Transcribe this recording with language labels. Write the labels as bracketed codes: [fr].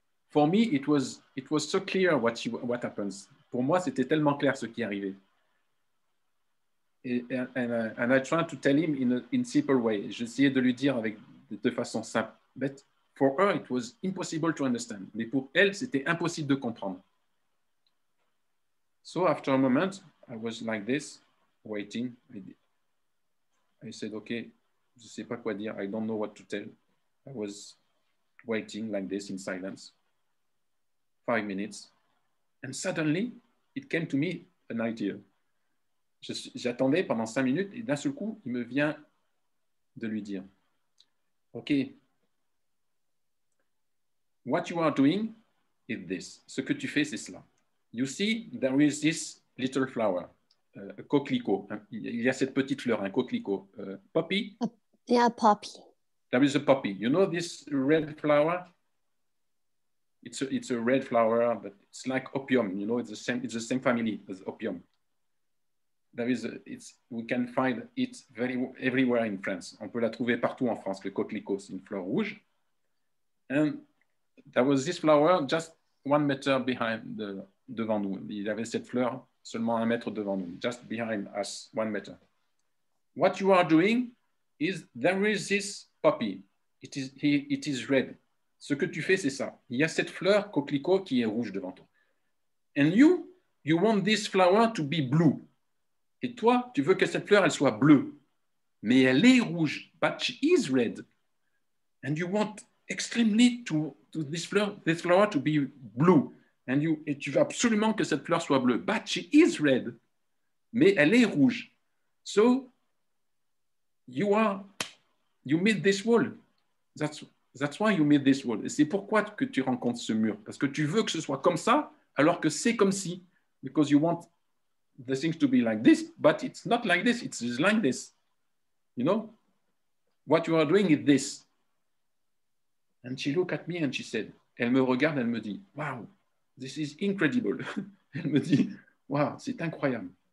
[en] For me, it was so clear what happens. [fr] Pour moi, c'était tellement clair ce qui arrivait. [en] And I tried to tell him in a simple way. [fr] J'essayais de lui dire avec de façon simple. [en] But for her, it was impossible to understand. [fr] Mais pour elle, c'était impossible de comprendre. [en] So after a moment, I was like this, waiting. I said, okay, [fr] je ne sais pas quoi dire. [en] I don't know what to tell. I was waiting like this in silence. 5 minutes. And suddenly, it came to me an idea. [fr] J'attendais pendant 5 minutes et d'un seul coup, il me vient de lui dire, [en] OK, what you are doing is this. [fr] Ce que tu fais, c'est cela. [en] You see, there is this little flower, a coquelicot. [fr] Il y a cette petite fleur, un coquelicot. [en] Poppy? Yeah, poppy. There is a poppy. You know this red flower? It's a red flower, but it's like opium. You know, it's the same family as opium. We can find it very everywhere in France. [fr] On peut la trouver partout en France, le coquelicot, c'est une fleur rouge. [en] And there was this flower just 1 meter behind [fr] devant nous. Il y avait cette fleur seulement 1 mètre devant nous, [en] just behind us, 1 meter. What you are doing is there is this poppy. It is red. [fr] Ce que tu fais, c'est ça. Il y a cette fleur coquelicot qui est rouge devant toi. [en] And you want this flower to be blue. [fr] Et toi, tu veux que cette fleur, elle soit bleue. Mais elle est rouge. [en] But she is red. And you want extremely to this flower to be blue. [fr] Et tu veux absolument que cette fleur soit bleue. [en] But she is red. [fr] Mais elle est rouge. [en] So, you made this wall. That's why you made this wall. [fr] Et c'est pourquoi que tu rencontres ce mur. Parce que tu veux que ce soit comme ça, alors que c'est comme si. [en] Because you want the things to be like this, but it's not like this, it's just like this. You know? What you are doing is this. And she looked at me and she said, [fr] elle me regarde, elle me dit, [en] wow, this is incredible. [fr] Elle me dit, wow, c'est incroyable.